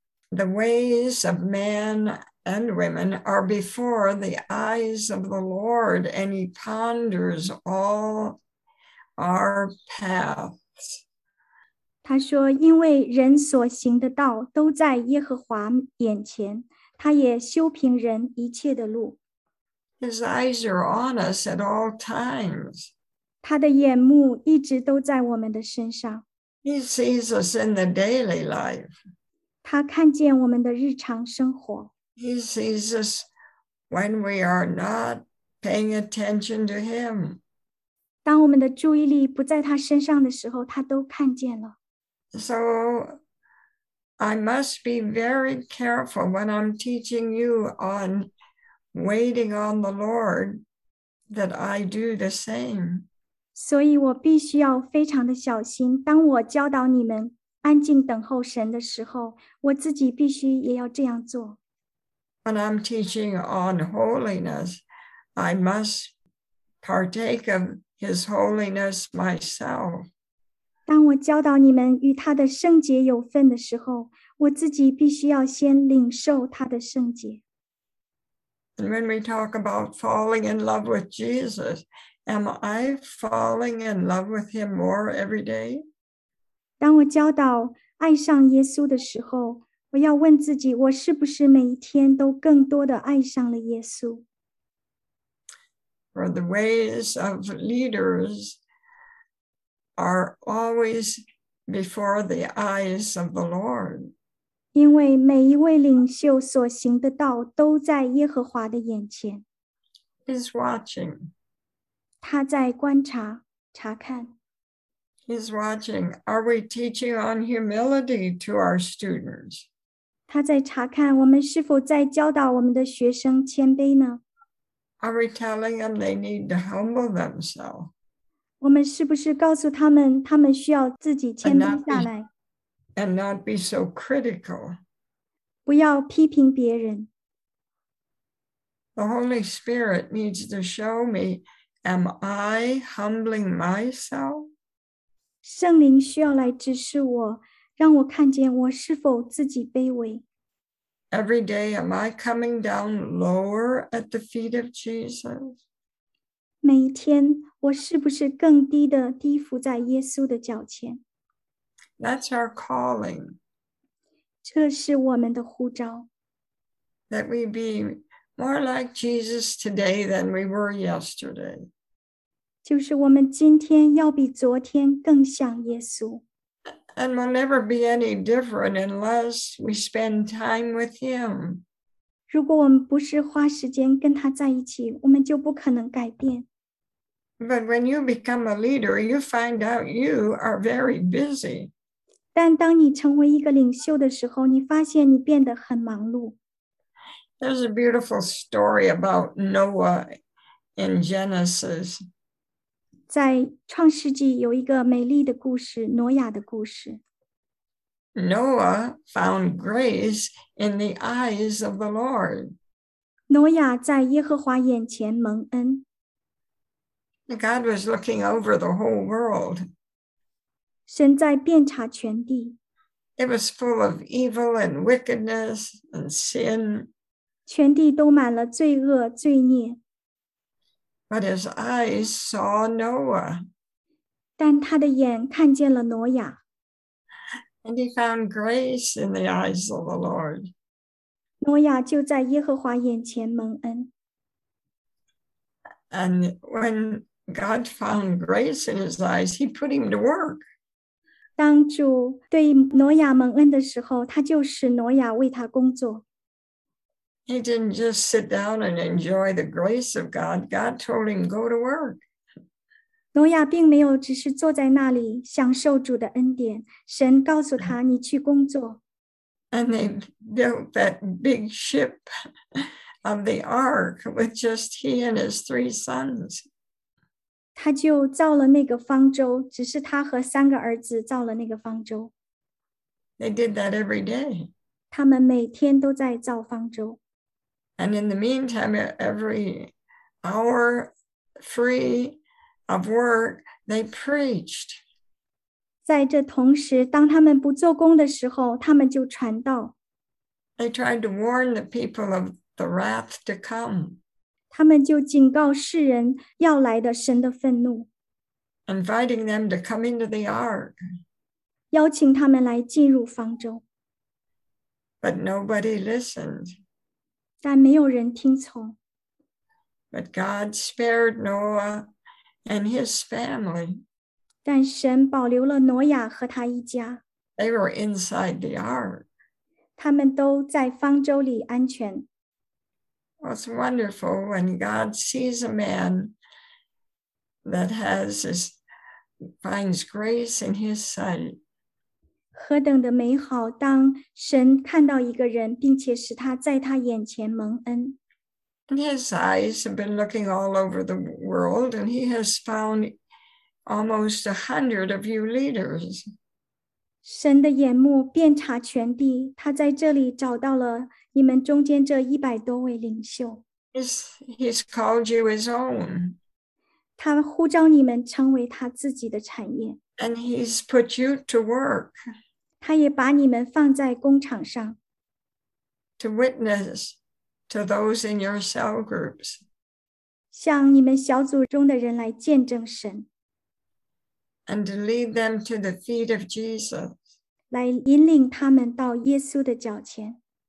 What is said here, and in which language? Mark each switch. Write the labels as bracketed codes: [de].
[en] The ways of men and women are before the eyes of the Lord, and He ponders all our paths. [zh] 他说，因为人所行的道都在耶和华眼前，他也修平人一切的路。 [en] His eyes are on us at all times. [zh] 他的眼目一直都在我们的身上。 [en] He sees us in the daily life. [zh] 他看见我们的日常生活。 [en] He sees us when we are not paying attention to Him. [zh] 当我们的注意力不在他身上的时候，他都看见了。 [en] So I must be very careful when I'm teaching you on waiting on the Lord that I do the same. [zh] 所以我必须要非常的小心，当我教导你们安静等候神的时候，我自己必须也要这样做。 [en] When I'm teaching on holiness, I must partake of His holiness myself. [zh] 当我教导你们与他的圣洁有份的时候，我自己必须要先领受他的圣洁。 [en] And when we talk about falling in love with Jesus, am I falling in love with Him more every day? [zh] 当我教导爱上耶稣的时候，我要问自己，我是不是每一天都更多的爱上了耶稣？ [en] For the ways of leaders are always before the eyes of the Lord. [zh] 因为每一位领袖所行的道都在耶和华的眼前。 [en] He's watching. [zh] 他在观察，查看。 [en] He's watching. Are we teaching on humility to our students? [zh] 他在查看我们是否在教导我们的学生谦卑呢？ [en] Are we telling them they need to humble themselves? [zh] 我们是不是告诉他们，他们需要自己谦卑下来？ [en] And not be so critical. [zh] 不要批评别人。 [en] The Holy Spirit needs to show me, am I humbling myself? [zh] 圣灵需要来指示我，让我看见我是否自己卑微。 [en] Every day, am I coming down lower at the feet of Jesus? [zh] 每天，我是不是更低的低伏在耶稣的脚前？ [en] That's our calling. [zh] 这是我们的呼召。 [en] That we be more like Jesus today than we were yesterday. [zh] 就是我们今天要比昨天更像耶稣。 [en] And we'll never be any different unless we spend time with Him. [zh] 如果我们不是花时间跟他在一起，我们就不可能改变。 [en] But when you become a leader, you find out you are very busy. [zh] 但当你成为一个领袖的时候，你发现你变得很忙碌。 [en] There's a beautiful story about Noah in Genesis. [zh] 在创世纪有一个美丽的故事，挪亚的故事。 [en] Noah found grace in the eyes of the Lord. [zh] 挪亚在耶和华眼前蒙恩。 [en] God was looking over the whole world. [zh] 神在遍察全地。 [en] It was full of evil and wickedness and sin. [zh] 全地都满了罪恶罪孽。 [en] But his eyes saw Noah. [zh] 但他的眼看见了挪亚。 [en] And he found grace in the eyes of the Lord. [zh] 挪亚就在耶和华眼前蒙恩。 [en] And when God found grace in his eyes, he put him to work. [zh] 当主对挪亚蒙恩的时候，他就使挪亚为他工作。 [en] He didn't just sit down and enjoy the grace of God. God told him, go to work. [zh] 挪亚并没有只是坐在那里享受主的恩典，神告诉他，你去工作。 [en] And they built that big ship of the ark with just he and his three sons. [zh] 他就造了那个方舟，只是他和三个儿子造了那个方舟。 [en] They did that every day. [zh] 他们每天都在造方舟。 [en] And in the meantime, every hour free of work, they preached. [zh] 在这同时，当他们不做工的时候，他们就传道。 [en] They tried to warn the people of the wrath to come. [zh] 他们就警告世人要来的神的愤怒。 [en] Inviting them to come into the ark. [zh] 邀请他们来进入方舟。 [en] But nobody listened. [zh] 但没有人听从。 [en] But God spared Noah and his family. [zh] 但神保留了挪亚和他一家。 [en] They were inside the ark. [zh] 他们都在方舟里安全。 [en] Well, it's wonderful when God sees a man that finds grace in his sight. [zh] 何等的美好，当神看到一个人，并且使他在他眼前蒙恩。 [en] His eyes have been looking all over the world, and he has found almost 100 of you leaders. [zh] 神的眼目遍察全地，他在这里找到了你们中间这一百多位领袖。 [en] He's called you his own. [zh] 他呼召你们成为他自己的产业。 [en] And he's put you to work. [zh] 他也把你们放在工厂上。 [en] To witness to those in your cell groups. [zh] 向你们小组中的人来见证神。 [en] And to lead them to the feet of Jesus. [zh] 来引领他们到耶稣的脚前。